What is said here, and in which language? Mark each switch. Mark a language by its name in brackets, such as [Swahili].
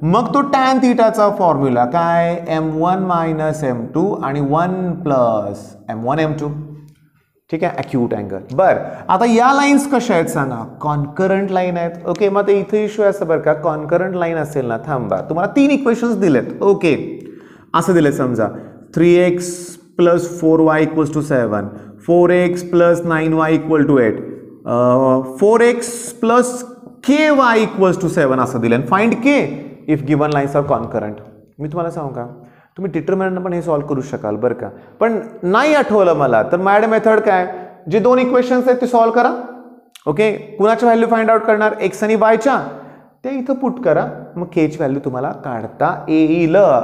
[Marathi] मग तो tan थीटाचा formula काय? M one minus M to आणि one plus M one M to. ठीक आहे, अक्यूट अँगल. बरं, आता या लाईन्स कशा आहेत सांगा? कॉन्करंट लाईन आहेत. ओके, मग ते इथे इश्यू आहे असं बरं का, कॉन्करंट लाईन असेल ना, थांबा, तुम्हाला तीन इक्वेशन्स दिलेत. [English] okay, [Marathi] असं दिलेत समजा, [English] three x plus four y equals to seven, four x plus nine y equal to eight, four x plus k y equals to seven [Marathi] असं दिलं. [English] Find k if given lines are concurrent. [Marathi] मी तुम्हाला सांगू का, तुम्ही determinant पण हे solve करू शकाल बरं का, पण नाही आठवलं मला तर मॅड मेथड काय? जे दोन इक्वेशन्स आहेत ते सॉल्व करा. ओके, कुणाच्या व्हॅल्यू फाइंड आउट करणार? एक्स आणि वायच्या. ते इथं पुट करा, मग केची व्हॅल्यू तुम्हाला काढता येईल.